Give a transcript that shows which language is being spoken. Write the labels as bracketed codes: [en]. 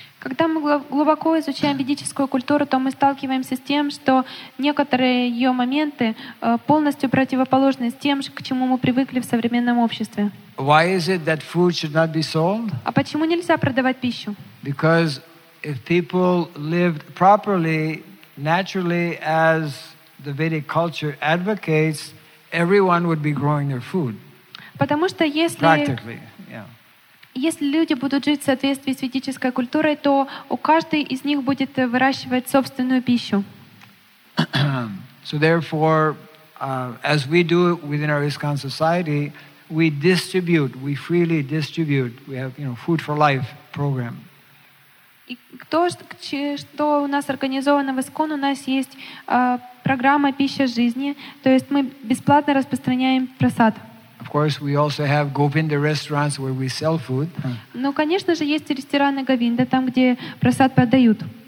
[ru] Когда мы глубоко изучаем ведическую культуру, то мы сталкиваемся с тем, что некоторые ее моменты полностью противоположны с тем, к чему мы привыкли в современном обществе. [en] Why is it that food should not be sold? [ru] А почему нельзя продавать пищу? [en] Because if people lived properly, naturally, as the Vedic culture advocates, everyone would be growing their food. [ru] Потому что если... [en] Practically. [ru] Если люди будут жить в соответствии с ведической культурой, то у каждой из них будет выращивать собственную пищу. [en] So therefore, as we do within our ISKCON society, we distribute, we freely distribute. We have, you know, food for life program. [ru] И то, что у нас организовано в ISKCON, у нас есть программа «Пища жизни», то есть мы бесплатно распространяем просад. [en] Of course, we also have Govinda restaurants where we sell food. [ru] Ну, конечно же, есть рестораны Говинда, там, где просад продают.